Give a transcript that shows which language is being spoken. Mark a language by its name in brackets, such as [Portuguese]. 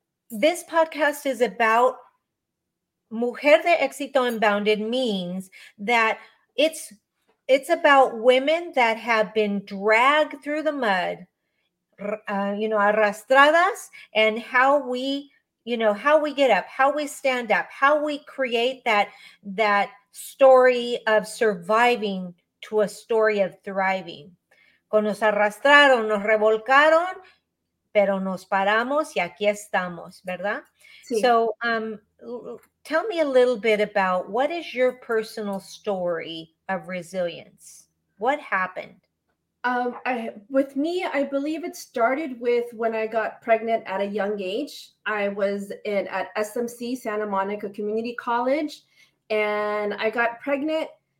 [English] This podcast is about Mujer de Éxito Unbounded, means that it's about women that have been dragged through the mud, you know, arrastradas, and how we get up, how we stand up, how we create that story of surviving to a story of thriving. [Spanish] Nos arrastraron, nos revolcaron, pero nos paramos y aquí estamos, ¿verdad? Sí. [English] So, tell me a little bit about what is your personal story of resilience? What happened? With me, I believe it started with when I got pregnant at a young age. I was at SMC, Santa Monica Community College, and I got pregnant.